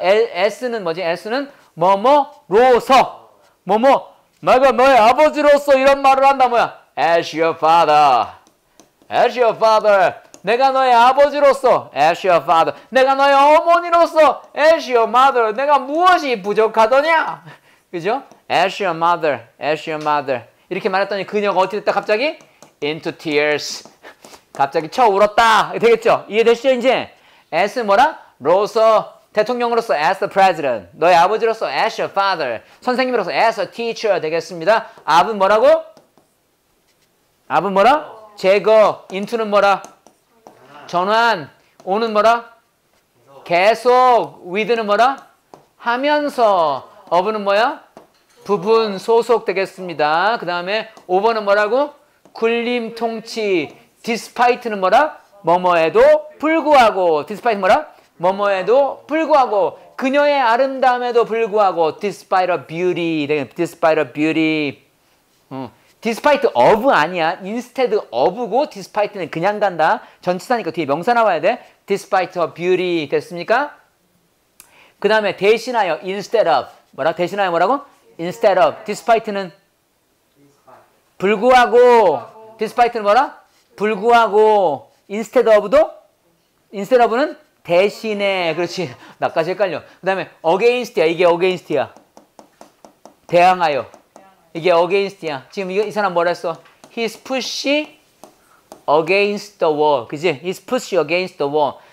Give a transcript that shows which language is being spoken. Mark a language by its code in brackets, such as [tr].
[ko] s는 뭐지? s는 뭐뭐로서. 뭐뭐, 내가 너의 아버지로서 이런 말을 한다 뭐야? [en] as your father. As your father, [ko] 내가 너의 아버지로서, [en] as your father, [ko] 내가 너의 어머니로서, [en] as your mother, [ko] 내가 무엇이 부족하더냐? 그죠? [en] As your mother, as your mother. [ko] 이렇게 말했더니 그녀가 어떻게 됐다, 갑자기? [en] Into tears. [ko] 갑자기 쳐 울었다. 되겠죠? 이해되시죠, 이제? As 뭐라? 로서, 대통령으로서, [en] as the president. [ko] 너의 아버지로서, [en] as your father. [ko] 선생님으로서, [en] as a teacher. [ko] 되겠습니다. 아분 뭐라고? 아분 뭐라? 제거, into는 뭐라? 전환, 오는 뭐라? 계속, with는 뭐라? 하면서, of는 뭐야? 부분, 소속 되겠습니다. 그 다음에 over는 뭐라고? 군림, 통치, despite는 뭐라? 뭐뭐에도 불구하고, despite 뭐라? 뭐뭐에도 불구하고, 그녀의 아름다움에도 불구하고, [en] despite of beauty, despite of beauty. Despite of [ko] 아니야. Instead of고 despite는 그냥 간다. 전치사니까 뒤에 명사 나와야 돼. [en] Despite her beauty [ko] 됐습니까? 그 다음에 대신하여 instead of 뭐라? 대신하여 뭐라고? Instead of. Despite는 불구하고. Despite는 뭐라? 불구하고. Instead of도? Instead of는 대신에. 그렇지. 나까지 헷갈려. 그 다음에 against야. 이게 against야. 대항하여. 이게 against야. 지금 이 사람 뭐라 했어? [en] He's pushing against the wall. [ko] 그지? [en] He's pushing against the wall.